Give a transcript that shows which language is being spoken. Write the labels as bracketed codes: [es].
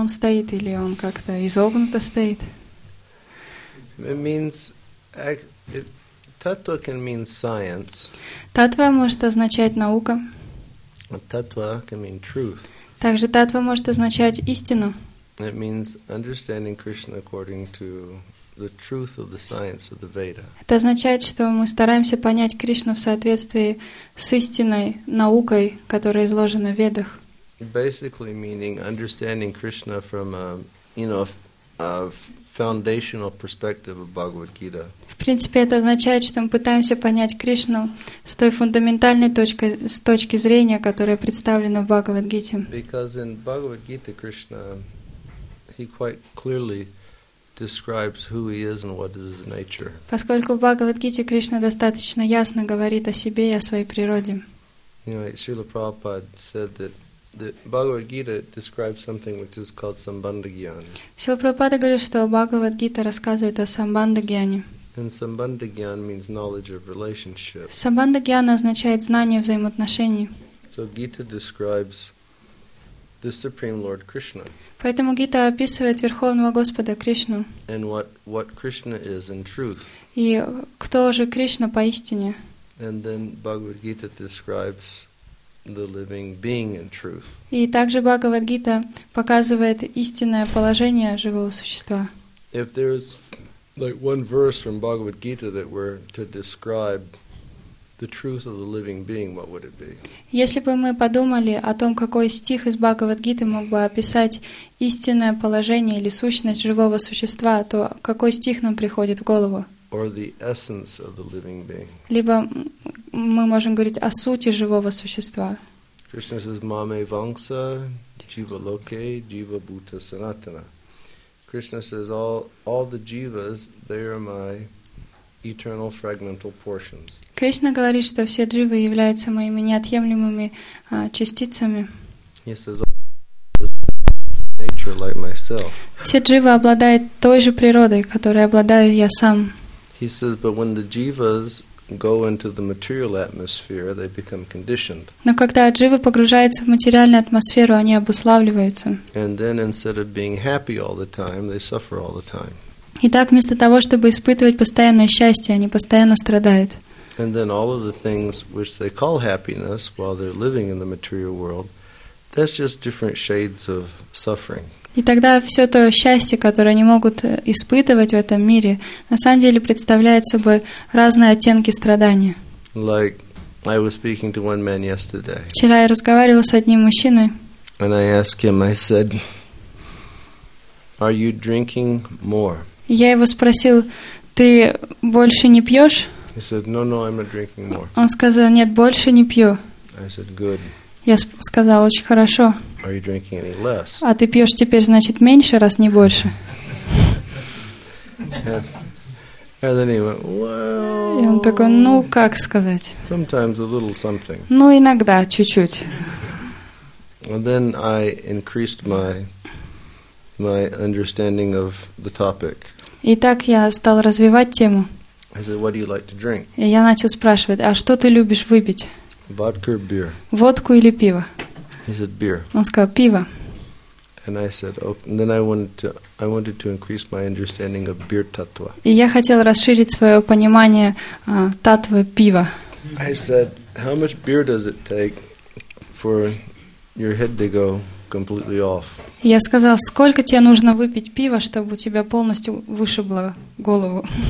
[ru] он стоит или он как-то изогнуто стоит? [en] It means. Tattva can mean science. [ru] Tattva может означать наука. [en] Tattva can mean truth. [ru] Также tattva может означать истину. [en] It means understanding Krishna according to the truth of the science of the Veda. [ru] Это означает, что мы стараемся понять Кришну в соответствии с истинной наукой, которая изложена в Ведах. [en] Basically meaning understanding Krishna from a, you know, a foundational perspective of Bhagavad Gita. [ru] В принципе, это означает, что мы пытаемся понять Кришну с той фундаментальной точки зрения, которая представлена в Бхагавад-гите. [en] Because in Bhagavad-gita, Krishna, he quite clearly describes who he is and what is his nature. [ru] Поскольку в Бхагавад-гите Кришна достаточно ясно говорит о себе и о своей природе. [en] You know, Srila Prabhupada said that the Bhagavad Gita describes something which is called Sambandha Gyan. [ru] Srila Prabhupada говорит, что Бхагавад-гита рассказывает о Sambandha Gyane. [en] And Sambandha Gyan means knowledge of relationship. [ru] Sambandha Gyan означает знание взаимоотношений. [en] So Gita describes the Supreme Lord Krishna. [ru] Поэтому Гита описывает Верховного Господа Кришну. [en] And what Krishna is in truth. [ru] И кто же Кришна поистине? [en] And then Bhagavad Gita describes the living being in truth. [ru] И также Бхагавад Гита показывает истинное положение живого существа. [en] If there's like one verse from Bhagavad Gita that were to describe the truth of the living being, what would it be? [ru] Если бы мы подумали о том, какой стих из Бхагавад Гиты мог бы описать истинное положение или сущность живого существа, то какой стих нам приходит в голову? [en] Or the essence of the living being. [ru] Либо мы можем говорить о сути живого существа. [en] Krishna says, [sa] Mame Vamsa, Jiva Loke, Jiva Bhuta Sanatana. [en] Krishna says, all the jivas, they are my eternal fragmental portions. [ru] Krishna говорит, что все дживы являются моими неотъемлемыми частицами. [en] He says, nature like myself. [ru] Все дживы обладают той же природой, которой обладаю я сам. [en] He says, but when the jivas go into the material atmosphere, they become conditioned. [ru] Но когда дживы погружаются в материальную атмосферу, они обуславливаются. [en] And then instead of being happy all the time, they suffer all the time. [ru] Итак, вместо того, чтобы испытывать постоянное счастье, они постоянно страдают. [en] And then all of the things which they call happiness while they're living in the material world, that's just different shades of suffering. [ru] И тогда все то счастье, которое они могут испытывать в этом мире, на самом деле представляет собой разные оттенки страдания. [en] Like I was speaking to one man yesterday. [ru] Вчера я разговаривал с одним мужчиной. [en] And I asked him, I said, are you drinking more? [ru] Я его спросил, ты больше не пьешь? [en] He said, no, no, I'm not drinking more. [ru] Он сказал, нет, больше не пью. [en] I said, good. [ru] Я сказал, очень хорошо. [en] Are you drinking any less? [ru] А ты пьешь теперь, значит, меньше, раз не больше. [en] And then he went, well, [ru] и он такой, ну, как сказать? [en] Sometimes a little something. [ru] Ну, иногда, чуть-чуть. [en] And then I increased my understanding of the topic. [ru] Итак, я стал развивать тему. [en] I said, what do you like to drink? [ru] И я начал спрашивать, а что ты любишь выпить? [en] Vodka or beer? [ru] Водку или пиво? [en] He said, beer. [ru] Он сказал, пиво. [en] And I said, okay. And then I wanted to increase my understanding of beer tattva. [ru] И я хотел расширить свое понимание татвы пива. [en] I said, how much beer does it take for your head to go completely off? [ru] Я сказал, сколько тебе нужно выпить пива, чтобы у тебя полностью вышибло голову?